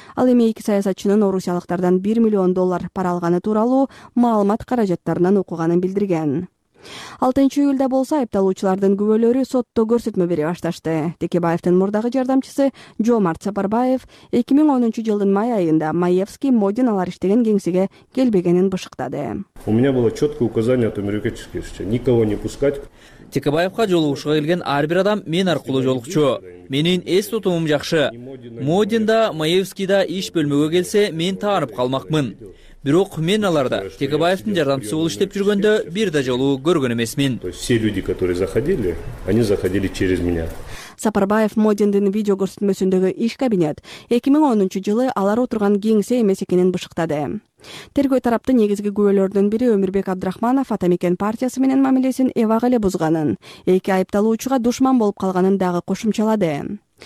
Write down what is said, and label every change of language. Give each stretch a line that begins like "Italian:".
Kyrgyz: Ал эми эки саясатчынын орусиялыктардан 1 миллион доллар пара алганы тууралуу маалымат каражаттарынан окуганын билдирген. 6-июлда болсо айыпталуучулардын күбөлөрү сотто көрсөтмө бере башташты. Текебаевдин мурдагы жардамчысы Жомарт Сапарбаев 2010 жылдын май айында Маевский Модин алар иштеген кеңсеге келбегенин бышыктады.
Russian: У меня было четкое указание от американского суда никого не пускать.
Kyrgyz: Текебаевка жолугушуга келген ар бир адам мен аркылуу жолукчу. Менин эс тутумум жакшы. Модин да Маевский да иш бөлмөгө келсе мен таанып калмакмын. Бирок мен аларда Текебаевдин жардамчысы болуп иштеп жүргөндө бир да жолу көргөн эмесмин.
Russian: Все люди, которые заходили, они заходили через меня.
Kyrgyz: Сапарбаев Модиндин видео көрсөтмөсүндөгү иш кабинет 2010 жылы алар отурган кеңсе эмес экенин бышыктады. Тергөө тараптын негизги күбөлөрүнүн бири Өмүрбек Абдрахманов Атамекен партиясы менен мамилесин эбак эле бузганын, эки айыпталуучуга душман болуп калганын дагы кошумчалады.